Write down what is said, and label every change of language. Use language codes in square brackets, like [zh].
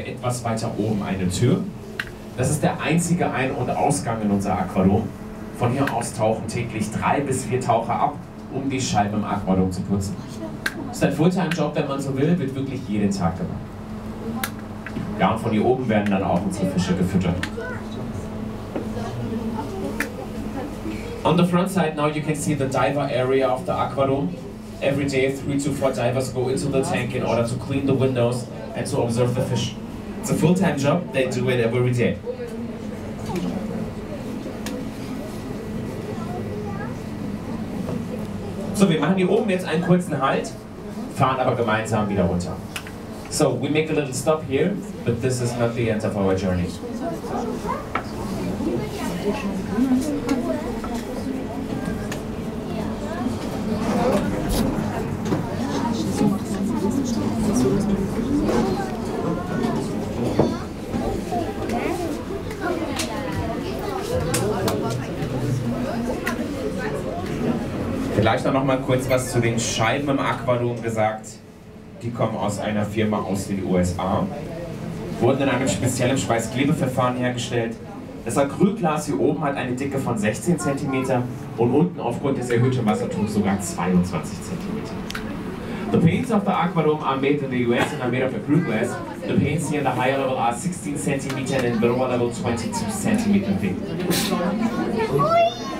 [de] etwas weiter oben eine Tür. Das ist der einzige Ein- und Ausgang in unser Aquadom. Von hier aus tauchen täglich 3 bis 4 Taucher ab, um die Scheiben im Aquadom zu putzen. Das ist ein Fulltime-Job, wenn man so will, wird wirklich jeden Tag gemacht. Ja, und von hier oben werden dann auch unsere Fische gefüttert. [en] On the front side now you can see the diver area of the Aquadom. Every day 3 to 4 divers go into the tank in order to clean the windows and to observe the fish. It's a full-time job, they do it every day. [de] So, wir machen hier oben jetzt einen kurzen Halt, fahren aber gemeinsam wieder runter. [en] So, we make a little stop here, but this is not the end of our journey. [de] Vielleicht noch mal kurz was zu den Scheiben im Aquadom gesagt. Die kommen aus einer Firma aus den USA, wurden in einem speziellen Schweißklebeverfahren hergestellt. Das Acrylglas hier oben hat eine Dicke von 16 cm und unten aufgrund des erhöhten Wasserdrucks sogar 22 cm. [en] The panes of the Aquadom are made in the US and are made of acrylglass. The panes here in the higher level are 16 cm and in the lower level 22 cm thick.